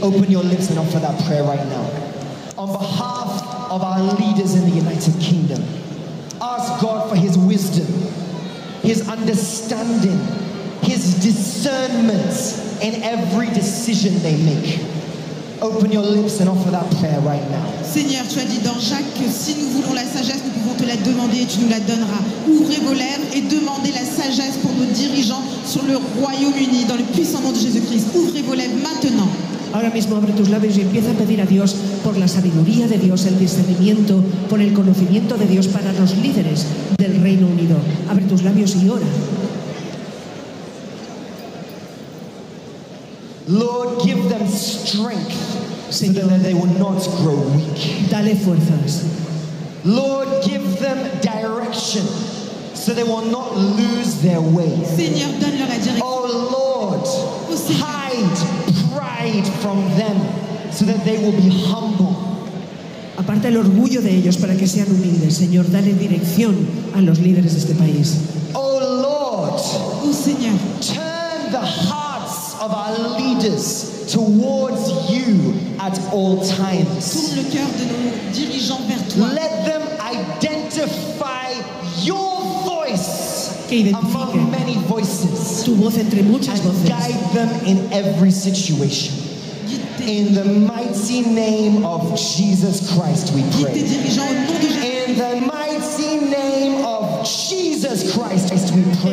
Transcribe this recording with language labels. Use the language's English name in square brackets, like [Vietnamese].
[English] Open your lips and offer that prayer right now. On behalf of our leaders in the United Kingdom, ask God for His wisdom, His understanding, His discernment in every decision they make. Open your lips and offer that prayer right now. [French] Seigneur, tu as dit dans Jacques que si nous voulons la sagesse, nous pouvons te la demander et tu nous la donneras. Ouvrez vos lèvres et demandez la sagesse pour nos dirigeants sur le Royaume-Uni dans le puissant nom de Jésus-Christ. Ouvrez vos lèvres maintenant. [Spanish] Ahora mismo abre tus labios y empieza a pedir a Dios por la sabiduría de Dios, el discernimiento, por el conocimiento de Dios para los líderes del Reino Unido. Abre tus labios y ora. [English] Lord, give them strength, so that they will not grow weak. [Spanish] Dale fuerzas. [English] Lord, give them direction, so they will not lose their way. [French] Seigneur, donne-leur la direction. [English] Oh Lord, hide pride from them, so that they will be humble. [Spanish] Aparta el orgullo de ellos para que sean humildes. Señor, dale dirección a los líderes de este país. [English] Oh Lord, [Spanish] oh Señor, [English] turn the hearts of our leaders towards you at all times. [French] Tourne le cœur de nos dirigeants vers toi. [English] Let them identify your voice among many voices. [Spanish] Tu voz entre muchas voces. [English] And guide them in every situation. In the mighty name of Jesus Christ, we pray. In the mighty name of Jesus Christ, we pray.